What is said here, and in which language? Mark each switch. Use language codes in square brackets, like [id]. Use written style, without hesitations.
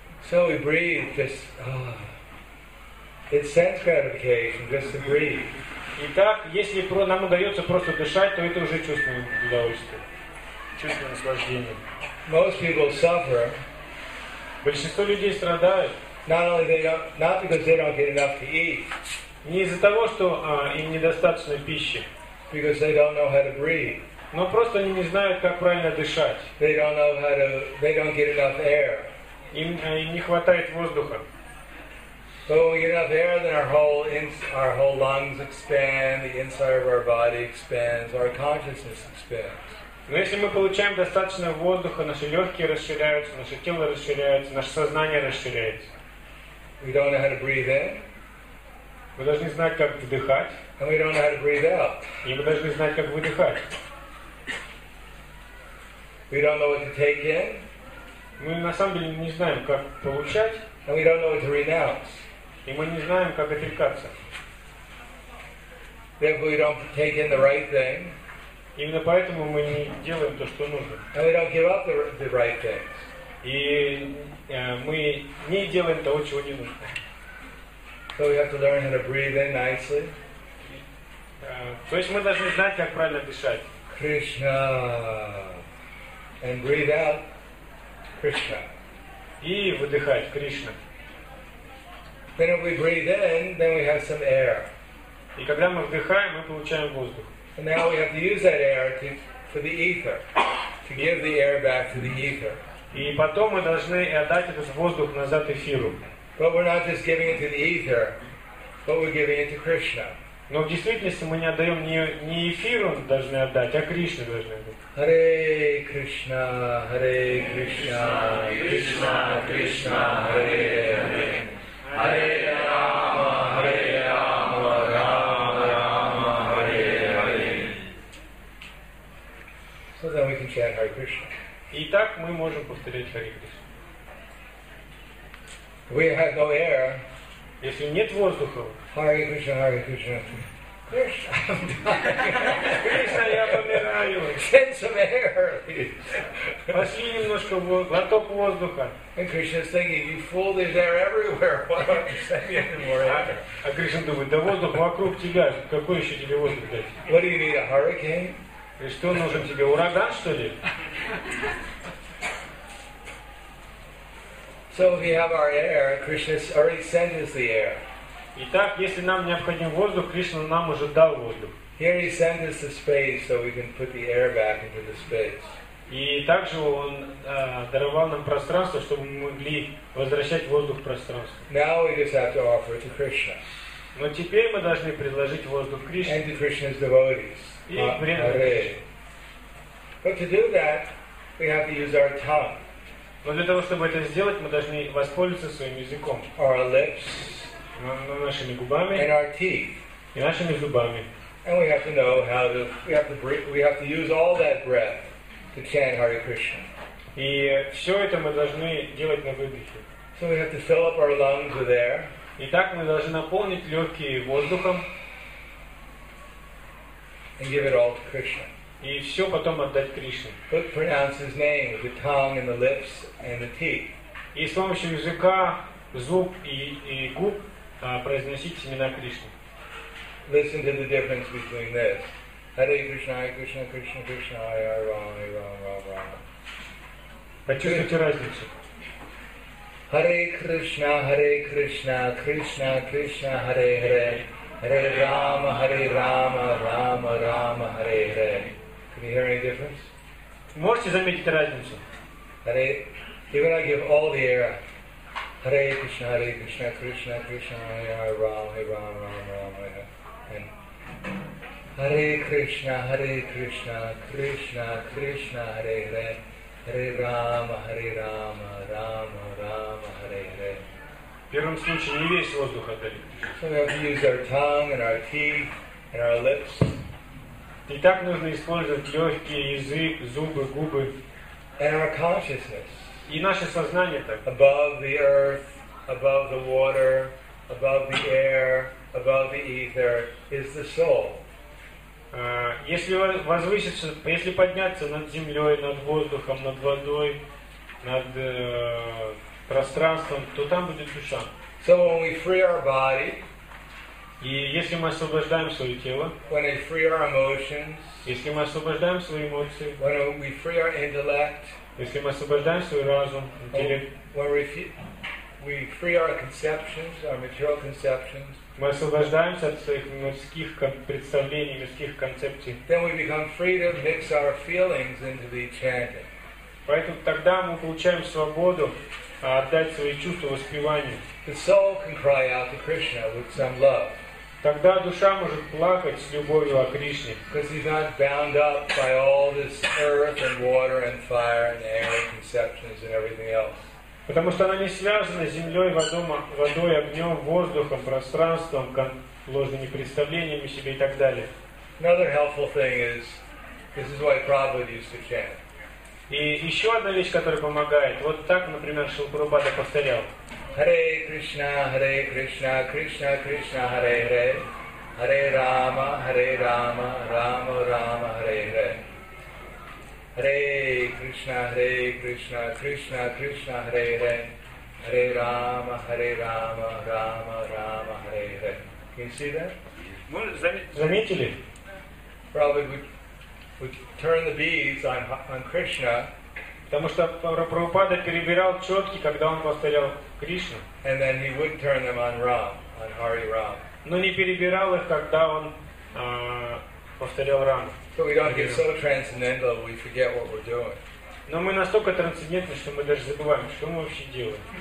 [en] So we breathe, just, oh, it's sense gratification, just to breathe. [ru] Итак, если нам удается просто дышать, то это уже чувство удовольствия, чувство наслаждения. [en] Most people suffer. [ru] Большинство людей страдают. [en] Not because they don't get enough to eat. [ru] Не из-за того, что им недостаточно пищи. [en] Because they don't know how to breathe. [ru] Но просто они не знают, как правильно дышать. [en] They don't know how to. They don't get enough air. [ru] Им не хватает воздуха. [en] So when we get enough air, then our whole lungs expand, the inside of our body expands, our consciousness expands. [ru] Но если мы получаем достаточно воздуха, наши легкие расширяются, наше тело расширяется, наше сознание расширяется. [en] We don't know how to breathe in. [ru] Мы должны знать, как вдыхать. [en] And we don't know how to breathe out. [ru] И мы должны знать, как выдыхать. [en] We don't know what to take in. [ru] Мы на самом деле не знаем, как получать. [en] And we don't know what to renounce. [ru] И мы не знаем, как отрекаться. [en] Therefore, we don't take in the right thing. [ru] Именно поэтому мы не делаем то, что нужно. [en] And we don't give up the right things. [ru] И мы не делаем того, чего не нужно. [en] So we have to learn how to breathe in nicely. [ru] То есть мы должны знать, как правильно дышать. [en] Krishna. And breathe out. Krishna. [ru] И выдыхать Кришна. [en] Then if we breathe in, then we have some air. [ru] И когда мы вдыхаем, мы получаем воздух. [en] And now we have to use that air for the ether, to give the air back to the ether. [ru] И потом мы должны отдать этот воздух назад эфиру. [en] But we're not just giving it to the ether, but we're giving it to Krishna. [ru] Но в действительности мы не отдаем не эфиру должны отдать, а Кришне должны отдать. [sa] Hare Krishna, Hare Krishna, Krishna Krishna, Hare Hare. Hare Rama, Hare Rama, Rama Rama, Hare Hare. [en] So then we can chant Hare Krishna. [ru] Итак, мы можем повторять Hare Krishna. [en] We have no air. [ru] Если нет воздуха. [sa] Hare Krishna, Hare Krishna. [ru] Кришна, я помираю. [en] Send some air. [ru] Пошли немножко глоток воздуха. [en] And Krishna's thinking, you fool, there's air everywhere. Why don't you send me any more air? [ru] А Кришна думает, да воздух вокруг тебя. Какой еще тебе воздух дать? [en] What do you need, a hurricane? [ru] И что нужен тебе, ураган, что ли? [en] So if we have our air, Krishna's already sent us the air. [ru] Итак, если нам необходим воздух, Кришна нам уже дал воздух. [en] Here he sent us the space so we can put the air back into the space. [ru] И также он даровал нам пространство, чтобы мы могли возвращать воздух в пространство. [en] Now we just have to offer it to Krishna. [ru] Но теперь мы должны предложить воздух Кришне. [en] And to Krishna's devotees. [ru] И Hare. [en] But to do that, we have to use our tongue. [ru] Но для того, чтобы это сделать, мы должны воспользоваться своим языком. [en] Our lips. [ru] Нашими губами [en] and our teeth. [ru] И нашими зубами. [en] And we have to know how to we have to use all that breath to chant Hare Krishna. [ru] И все это мы должны делать на выдохе. [en] So we have to fill up our lungs with air. [ru] Итак, мы должны наполнить легкие воздухом. [en] And give it all to Krishna. [ru] И все потом отдать Кришне. [en] But pronounce his name with the tongue and the lips and the teeth. [ru] И с помощью языка, зуб и губ произносить имена Кришны. [en] Listen to the difference between this. [sa] Hare Krishna, Hare Krishna, Krishna Krishna, Hare Hare, Rama Rama, Rama Rama. [ru] Почувствуйте разницу. [sa] Hare Krishna, Hare Krishna, Krishna Krishna, Hare Hare, Hare Rama, Hare Rama, Rama Rama, Hare Hare. [en] Can you hear any difference? [ru] Можете заметить разницу? [sa] Hare, [en] even I give all the air. [sa] Hare Krishna, Krishna Krishna, Hare Hare, Rama Rama, Rama Rama. Hare Krishna, Krishna Krishna, Hare Hare, Hare Rama, Hare Rama, Rama Rama, Hare Hare. [ru] В первом случае не весь воздух отдали. [en] So we have to use our tongue and our teeth and our lips. [ru] Итак, нужно использовать легкие, язык, зубы, губы. [en] And our consciousness. [ru] и наше сознание так. [en] Above the earth, above the water, above the air, above the ether is the soul. [ru] Если возвыситься, если подняться над землей, над воздухом, над водой, над пространством, то там будет душа. [en] So when we free our body, [ru] и если мы освобождаем свое тело, [en] when we free our emotions, [ru] если мы освобождаем свои эмоции, [en] when we free our intellect, [ru] если мы освобождаем свой разум, интеллект, [en] when we free our conceptions, our material conceptions, [ru] мы освобождаемся от своих мирских представлений, мирских концепций, [en] then we become free to mix our feelings into the chanting. [ru] Поэтому тогда мы получаем свободу отдать свои чувства воспеванию. [en] The soul can cry out to Krishna with some love. [ru] Тогда душа может плакать с любовью о Кришне. [en] Because he's not bound up by all this earth and water and fire and air and conceptions and everything else. [ru] Потому что она не связана с землей, водой, огнем, воздухом, пространством, ложными представлениями себе и так далее. [en] Another helpful thing is, this is why Prabhupada used to chant. [ru] И еще одна вещь, которая помогает. Вот так, например, Шрила Прабхупада повторял. [sa] Харе Кришна, Кришна Кришна, Харе Харе. Харе Рама, Рама Рама, Харе Харе. Харе Кришна, Кришна Кришна, Харе Харе. Харе Рама, Рама Рама, Харе Харе. [en] Can you see that? [ru] Заметили? [en] Would turn the beads on Krishna, [ru] потому что Прабхупада перебирал четки, когда он повторял Кришну. [en] And then he would turn them on Ram, on Hari Ram. [ru] Но не перебирал их, когда он повторял Раму. [en] So we don't get so transcendental, we forget what we're doing. [ru] Но мы настолько трансцендентны, что мы даже забываем, что мы вообще делаем.